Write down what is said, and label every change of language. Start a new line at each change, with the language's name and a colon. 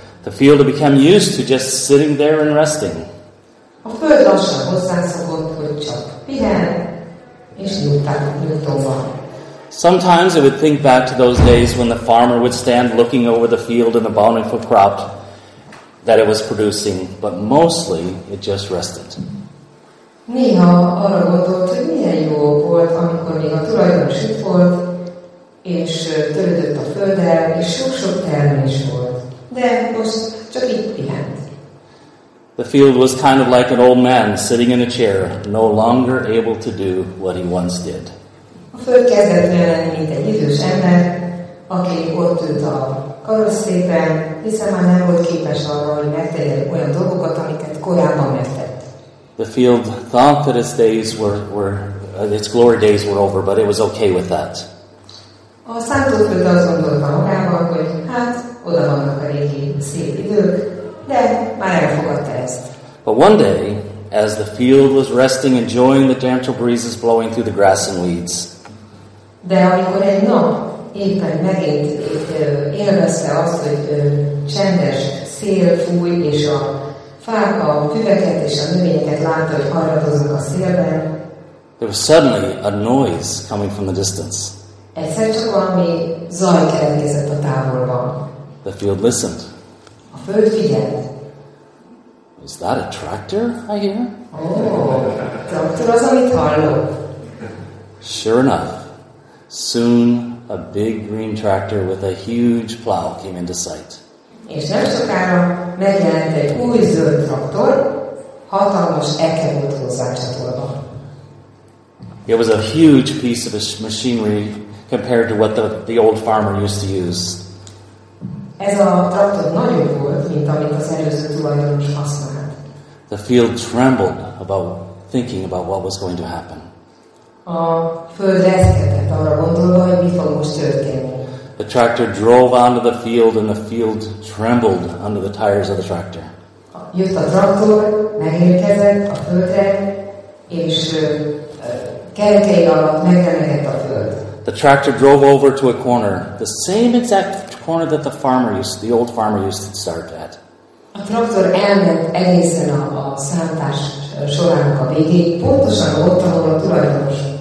English: The field had become used to just sitting there and resting.
Hungarian: A föld lassan hozzászokott, hogy csak pihen, és nyugtóban.
English: Sometimes I would think back to those days when the farmer would stand looking over the field and the bountiful crop that it was producing, but mostly it just rested.
Hungarian: Néha arra gondolt, hogy milyen jó volt, amikor még a tulajdonos itt volt, és törődött a földdel, és sok-sok termés volt. De most csak itt pihent.
English: The field was kind of like an old man sitting in a chair, no longer able to do what he once did.
Hungarian: A föld kezdett olyan, mint egy idős ember, aki ott ült a karosszékben, hiszen már nem volt képes arra, hogy megtegye olyan dolgokat, amiket korábban megtett.
English: The field thought that its days were its glory days were over, but it was okay with that.
Hungarian: A szántóföld azt gondolta magában, hogy hát, oda vannak a régi szép idők, de már elfogadta ezt.
English: But one day, as the field was resting, enjoying the gentle breezes blowing through the grass and weeds.
Hungarian: De amikor egy nap éppen megint élvezte azt, hogy csendes szél fúj, és a fák, a füveket és a növényeket látta, hogy harradozunk a szélben.
English: There was suddenly a noise coming from the distance.
Hungarian: Egyszer csak valami zaj keletkezett a távolban.
English: The field listened.
Hungarian: A föld figyelt.
English: Is that a tractor I hear?
Hungarian: Oh, tractor az, amit hallok.
English: Sure enough, soon a big green tractor with a huge plow came into sight.
Hungarian: És nem sokára megjelent egy új zöld traktor, hatalmas eke volt hozzá csatolva.
English: It was a huge piece of machinery compared to what the old farmer used to use.
Hungarian: Ez a traktor nagyobb volt, mint amit az előző tulajdonos használt.
English: The field trembled about thinking about what was going to happen.
Hungarian: A föld reszketett arra gondolva, hogy mi fog most történni.
English: The tractor drove onto the field and the field trembled under the tires of the tractor.
Hungarian: Jött a traktor, megérkezett a földre, és kertjei alatt megremegett a föld.
English: The tractor drove over to a corner, the same exact corner that the farmer used, the old farmer used to start at.
Hungarian: A traktor elment egészen a szántás sorának a végéig, pontosan ott, ahol a tulajdonos